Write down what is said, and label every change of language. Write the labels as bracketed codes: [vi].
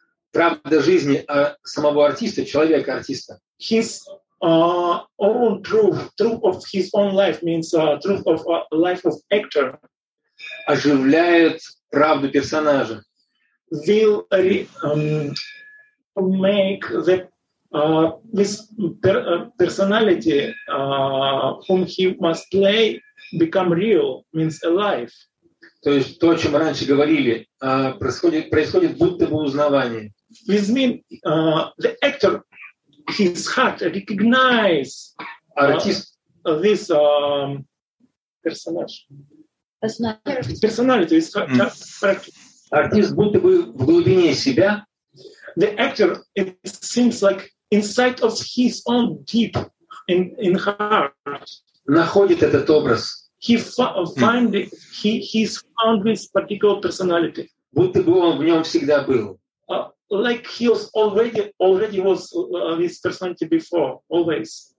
[ru] Правда жизни самого артиста, человека артиста. [en] His own truth of his own life means truth of life of actor. [ru] Оживляет правду персонажа. [en] Will make the this personality whom he must play become real, means alive. [ru] То есть то, о чем раньше говорили, происходит будто бы узнавание. [en] This means the actor, his heart recognize artist this personality. [ru] Артист будто бы в глубине себя. [en] The actor, it seems like inside of his own deep in heart. [ru] Находит этот образ. [en] He's found this particular personality. [ru] Будто бы он в нем всегда был. [en] Like he was already was this personality before, always.